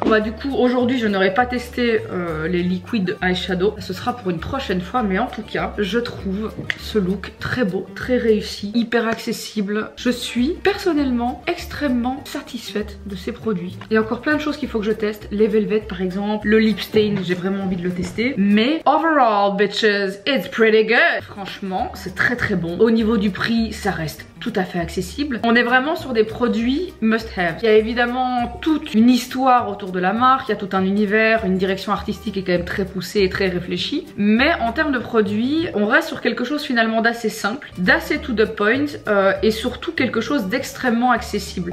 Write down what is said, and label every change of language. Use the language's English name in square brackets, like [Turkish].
[French] Bah, du coup, aujourd'hui, je n'aurai pas testé les liquid eyeshadow. Ce sera pour une prochaine fois, mais en tout cas, je trouve ce look très beau, très réussi, hyper accessible. Je suis personnellement extrêmement satisfaite de ces produits. Il y a encore plein de choses qu'il faut que je teste. Les velvets, par exemple, le lip stain, j'ai vraiment envie de le tester. [English] Mais overall, bitches, it's pretty good. [French] Franchement, c'est très très bon. Au niveau du prix, ça reste tout à fait accessible. On est vraiment sur des produits must have. Il y a évidemment toute une histoire autour de la marque, il y a tout un univers, une direction artistique qui est quand même très poussée et très réfléchie. Mais en termes de produits, on reste sur quelque chose finalement d'assez simple, d'assez to the point, et surtout quelque chose d'extrêmement accessible.